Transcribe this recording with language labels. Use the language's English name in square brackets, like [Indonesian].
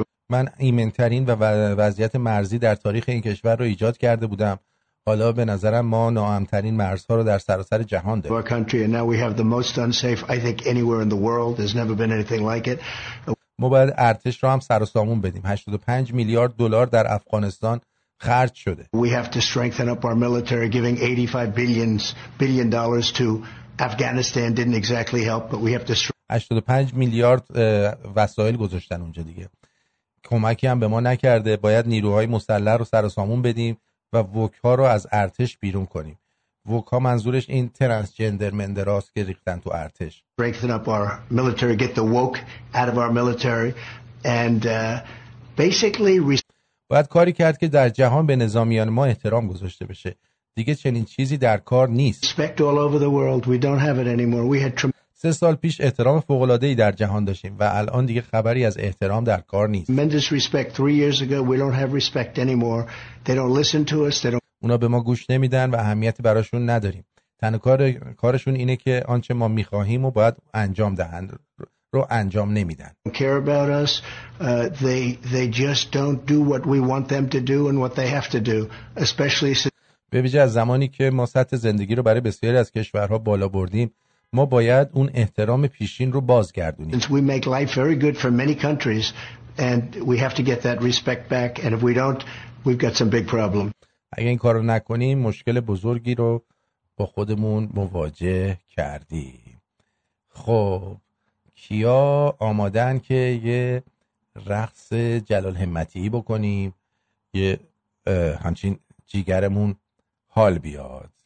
[Persian] من ایمنترین و وضعیت مرزی در تاریخ این کشور رو ایجاد کرده بودم. حالا به نظرم ما ناامن‌ترین مرزها رو در سراسر جهان داریم. ما باید ارتش رو هم سر و سامون بدیم. 85 میلیارد دلار در افغانستان خرج شده. [English] We have to strengthen up our military, giving 85 billion dollars to Afghanistan didn't exactly help, but we have to [Persian] 85 میلیارد وسایل گذاشتن اونجا دیگه. کمکی هم به ما نکرده. باید نیروهای مسلح رو سر و سامون بدیم و وک ها رو از ارتش بیرون کنیم. وک ها منظورش این ترانسجندر مندراست که ریختن تو ارتش. [English] Strengthen up our military, get the woke out of our military and basically [Persian] باید کاری کرد که در جهان به نظامیان ما احترام گذاشته بشه. دیگه چنین چیزی در کار نیست. [English] Respect all over the world, we don't have it anymore. We had [Persian] 3 سال پیش احترام فوق العاده ای در جهان داشتیم و الان دیگه خبری از احترام در کار نیست. [English] Tremendous respect 3 years ago, we don't have respect anymore. They don't listen to us. [Persian] اونا به ما گوش نمیدن و اهمیتی براشون نداریم. تنها کارشون اینه که آنچه ما میخواهیم و باید انجام دهند رو انجام نمیدن. [English] Care about us. They just don't do what we want them to do and what they have to do, especially [Persian] به ویژه از زمانی که ما سطح زندگی رو برای بسیاری از کشورها بالا بردیم. ما باید اون احترام پیشین رو بازگردونیم. [English] Since we make life very good for many countries and we have to get that respect back and if we don't we've got some big problem. [Persian] اگه این کارو نکنیم مشکل بزرگی رو با خودمون مواجه کردیم. خب کیا آمادن که یه رقص جلال همتی بکنیم؟ یه همچین جیگرمون حال بیاد.